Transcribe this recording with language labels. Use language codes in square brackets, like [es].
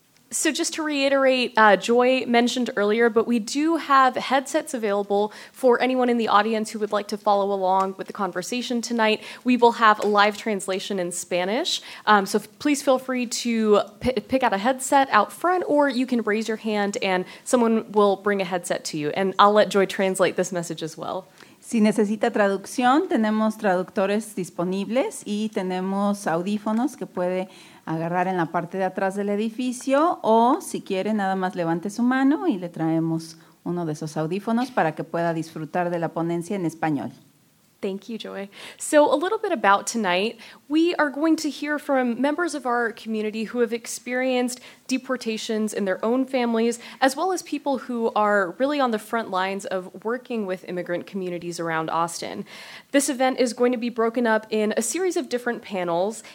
[en] So just to reiterate, Joy mentioned earlier, but we do have headsets available for anyone in the audience who would like to follow along with the conversation tonight. We will have a live translation in Spanish. So please feel free to pick out a headset out front, or you can raise your hand and someone will bring a headset to you. And I'll let Joy translate this message as well. [es] Si necesita traducción, tenemos traductores disponibles y tenemos audífonos que puede agarrar en la parte de atrás del edificio, o si quiere, nada más levante su mano y le traemos uno de esos audífonos para que pueda disfrutar de la ponencia en español. [en] Thank you, Joy. So a little bit about tonight. We are going to hear from members of our community who have experienced deportations in their own families, as well as people who are really on the front lines of working with immigrant communities around Austin. This event is going to be broken up in a series of different panels.